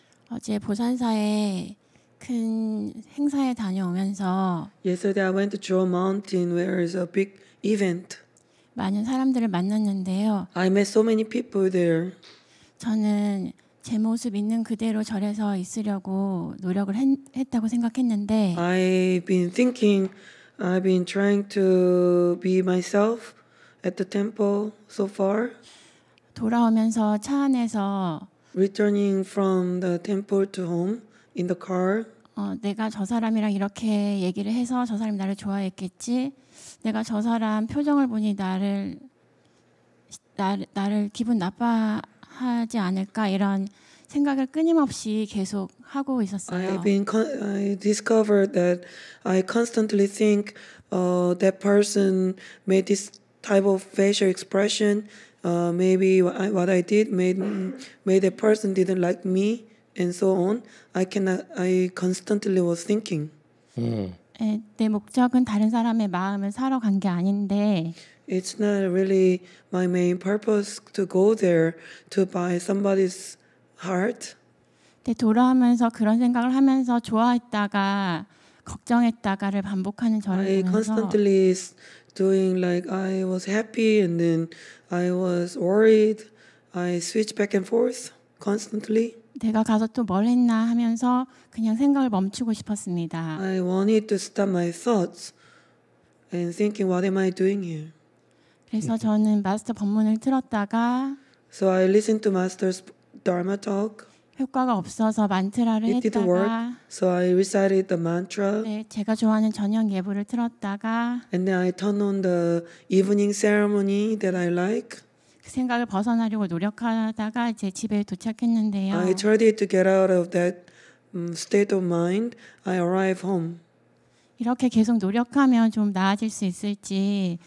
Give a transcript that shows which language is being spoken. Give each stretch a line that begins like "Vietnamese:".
Korean: 어제 보산사에 큰 행사에 다녀오면서.
English: Yesterday, I went to Jewel Mountain, where is a big event.
Korean: 많은 사람들을 만났는데요.
English: I met so many people there.
Korean: 저는 제 모습 있는 그대로 절에서 있으려고 노력을 했다고 생각했는데
English: I've been trying to be myself at the temple so far.
Korean: 돌아오면서 차 안에서
English: returning from the temple to home in the car.
Korean: 내가 저 사람이랑 이렇게 얘기를 해서 저 사람이 나를 좋아했겠지. 내가 저 사람 표정을 보니 나를 기분 나빠 하지 않을까 이런 생각을 끊임없이 계속 하고 있었어요.
English: I discovered that I constantly think that person made this type of facial expression. Maybe what I did made that person didn't like me and so on. I constantly was thinking.
Korean: 내 목적은 다른 사람의 마음을 사러 간 게 아닌데.
English: It's not really my main purpose to go there to buy somebody's heart.
Korean: 네, 돌아오면서 그런 생각을 하면서 좋아했다가 걱정했다가를 반복하는 저를 보면서
English: I constantly doing like I was happy and then I was worried. I switch back and forth constantly.
Korean: 내가 가서 또 뭘 했나 하면서 그냥 생각을 멈추고 싶었습니다.
English: I wanted to stop my thoughts and thinking what am I doing here?
Korean: 그래서 저는 마스터 법문을 틀었다가
English: So I listened to master's dharma talk.
Korean: 효과가 없어서 만트라를
English: It
Korean: 했다가
English: didn't work, So I recited the mantra.
Korean: 네, 제가 좋아하는 저녁 예불을 틀었다가
English: And then I turned on the evening ceremony that I like.
Korean: 그 생각을 벗어나려고 노력하다가 제 집에 도착했는데요.
English: I tried to get out of that state of mind. I arrived home.
Korean: 이렇게 계속 노력하면 좀 나아질 수 있을지.